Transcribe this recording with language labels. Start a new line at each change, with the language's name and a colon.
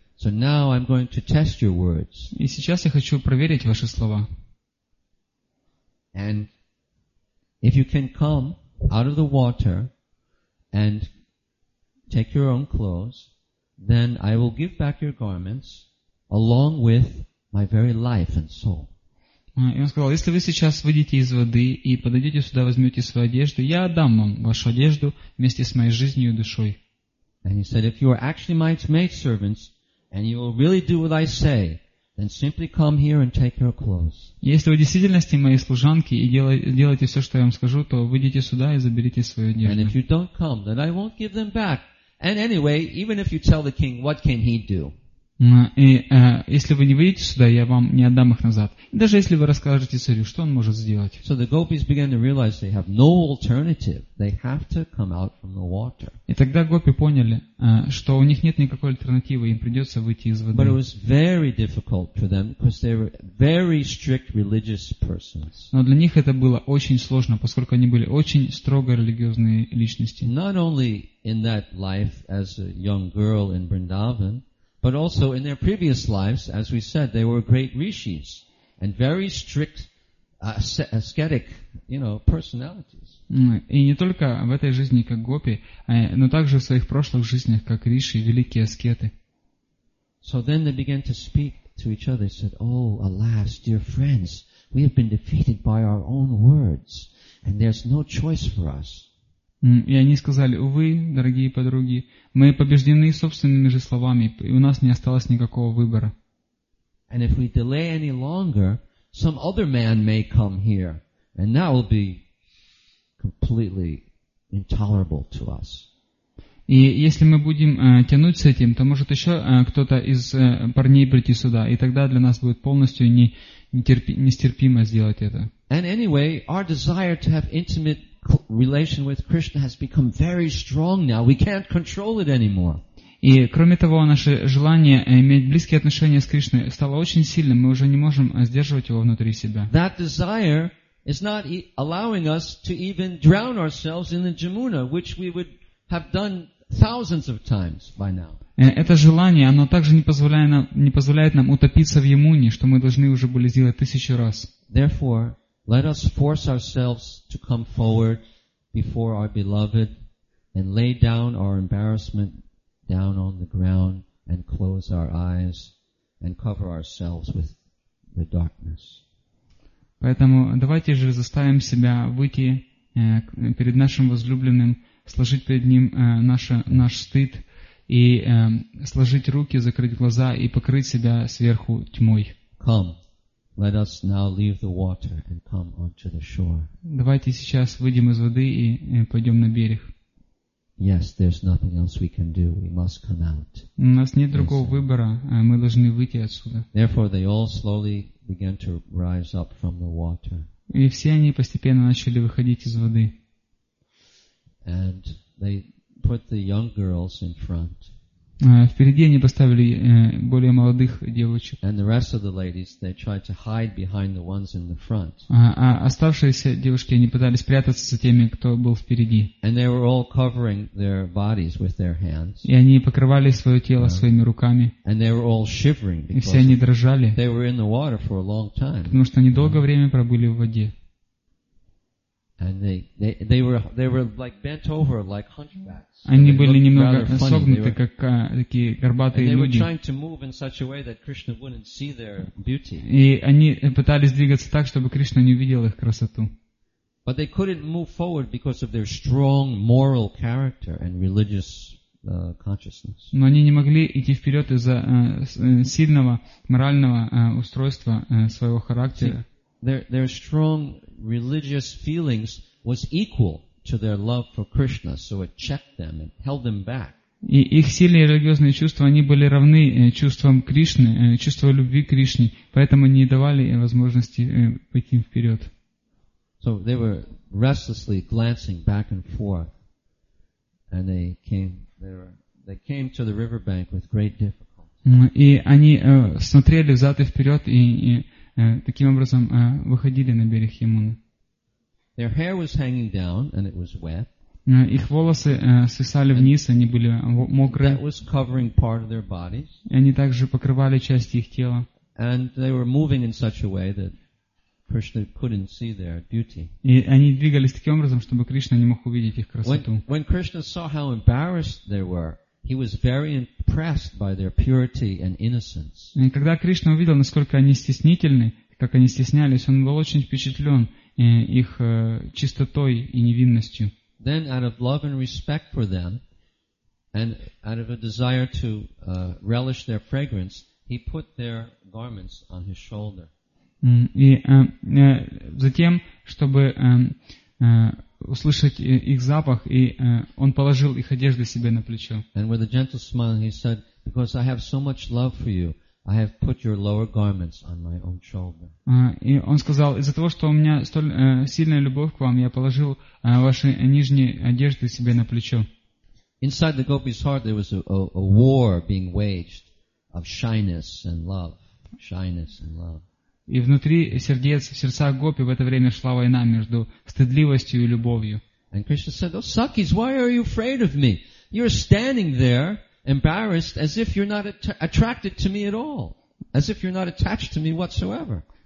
English: So now I'm going to test your words.
Russian: И сейчас я хочу проверить ваши слова.
English: And if you can come out of the water and take your own clothes, then I will give back your garments along with my very life and soul.
Russian: И он сказал, если вы сейчас выйдете из воды и подойдете сюда, возьмете свою одежду, я отдам вам вашу одежду вместе с моей жизнью и душой.
English: And he said, if you are actually my maidservants, and you will really do what I say, then simply come here and take your clothes.
Russian: Если вы действительно мои служанки и делаете все, что я вам скажу, то выйдите сюда и заберите свою одежду.
English: And if you don't come, then I won't give them back. And anyway, even if you tell the king, what can he do?
Russian: Если вы не выйдете сюда, я вам не отдам их назад. Даже если вы расскажете царю, что он может сделать?
English: So the gopis began to realize they have no alternative. They have to come out from the water.
Russian: И тогда гопи поняли, что у них нет никакой альтернативы, им придется выйти из воды.
English: But it was very difficult for them because they were very strict religious persons.
Russian: Но для них это было очень сложно, поскольку они были очень строго религиозные личности.
English: Not only in that life as a young girl in Vrindavan, but also in their previous lives, as we said, they were great rishis and very strict ascetic, you know, personalities.
Russian: И не только в этой жизни как гопи, но также в своих прошлых жизнях как риши, великие аскеты.
English: So then they began to speak to each other. They said, "Oh, alas, dear friends, we have been defeated by our own words, and there's no choice for us."
Russian: И они сказали, увы, дорогие подруги, мы побеждены собственными же словами, и у нас не осталось никакого выбора.
English: And if we delay any longer, some other man may come here, and that will be completely intolerable to us.
Russian: И если мы будем тянуть с этим, то может еще кто-то из парней прийти сюда, и тогда для нас будет полностью нестерпимо сделать это.
English: And anyway, our desire to have intimate relation with Krishna has become very strong now. We can't control it anymore.
Russian: И кроме того, наше желание иметь близкие отношения с Кришной стало очень сильным. Мы уже не можем сдерживать его внутри себя.
English: That desire is not allowing us to even drown ourselves in the Jamuna, which we would have done thousands of times by now.
Russian: Это желание, оно также не позволяет нам утопиться в Ямуне, что мы должны уже были сделать тысячу раз.
English: Therefore, let us force ourselves to come forward before our beloved and lay down our embarrassment down on the ground and close our eyes and cover ourselves with the darkness.
Russian: Поэтому давайте же заставим себя выйти перед нашим возлюбленным, сложить перед ним наш стыд и сложить руки, закрыть глаза и покрыть себя сверху тьмой.
English: Come, let us now leave the water and come onto the shore.
Russian: Давайте сейчас выйдем из воды и пойдем на берег.
English: Yes, there's nothing else we can do. We must come out.
Russian: У нас нет другого выбора, мы должны выйти отсюда.
English: Therefore, they all slowly began to rise up from the water.
Russian: И все они постепенно начали выходить из воды.
English: And they put the young girls in front.
Russian: Впереди они поставили более молодых девочек.
English: And the rest of the ladies, they tried to hide behind the ones in the front.
Russian: А оставшиеся девушки, они пытались спрятаться за теми, кто был впереди.
English: And they were all covering their bodies with their hands.
Russian: И они покрывали свое тело своими руками.
English: And they were all shivering.
Russian: И все они дрожали.
English: They were in the water for a long time.
Russian: Потому что они долгое время пробыли в воде.
English: And they were like bent over like hunchbacks.
Russian: Они были немного согнуты, как такие горбатые люди.
English: And they were trying to move in such a way that Krishna wouldn't see their beauty.
Russian: И они пытались двигаться так, чтобы Кришна не увидел их красоту.
English: But they couldn't move forward because of their strong moral character and religious consciousness.
Russian: Но они не могли идти вперед из-за сильного морального устройства своего характера.
English: Their strong religious feelings was equal to their love for Krishna, so it checked them and held them back.
Russian: И их сильные религиозные чувства, они были равны чувствам Кришны, чувству любви к Кришне, поэтому не давали возможности пойти вперед.
English: So they were restlessly glancing back and forth, and they came to the riverbank with great difficulty.
Russian: И они смотрели взад и вперед и таким образом выходили на берег Ямуны.
English: Their hair was hanging down, and it was wet.
Russian: Их волосы свисали вниз, они были мокрые.
English: That was covering part of their bodies.
Russian: И они также покрывали части их тела.
English: And they were moving in such a way that Krishna couldn't see their beauty.
Russian: И они двигались таким образом, чтобы Кришна не мог увидеть их красоту.
English: When Krishna saw how embarrassed they were, he was very impressed by their purity and innocence.
Russian: И когда Кришна увидел, насколько они стеснительны, как они стеснялись, он был очень впечатлен их чистотой и невинностью.
English: Then, out of love and respect for them, and out of a desire to relish their fragrance, he put their garments on his shoulder.
Russian: И затем, чтобы услышать их запах, и он положил их одежды себе на плечо.
English: And with a gentle smile, he said, "Because I have so much love for you, I have put your lower garments on my own shoulder."
Russian: И он сказал, из-за того, что у меня столь сильная любовь к вам, я положил ваши нижние одежды себе на плечо.
English: Inside the gopi's heart there was a war being waged of shyness and love. Shyness and love.
Russian: И внутри сердец, в сердцах гопи в это время шла война между стыдливостью и любовью.
English: And Krishna said, "Oh, Sakis, why are you afraid of me? You're standing there embarrassed, as if you're not attracted to me at all, as if you're not attached to me whatsoever."